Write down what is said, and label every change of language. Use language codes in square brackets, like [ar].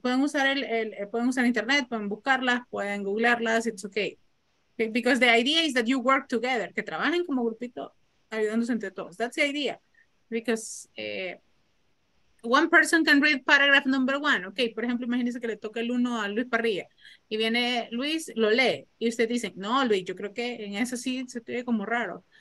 [es] Pueden usar pueden usar internet, pueden buscarlas, pueden googlearlas. [en] It's okay. Because the idea is that you work together. [es] Que trabajen como grupito. Ayudándose entre todos. [en] That's the idea. Because one person can read paragraph number one. [es] Okay, por ejemplo, imagínese que le toca el uno a Luis Parrilla. Y viene Luis, lo lee. Y usted dice, no, Luis, yo creo que en eso sí se te ve como raro.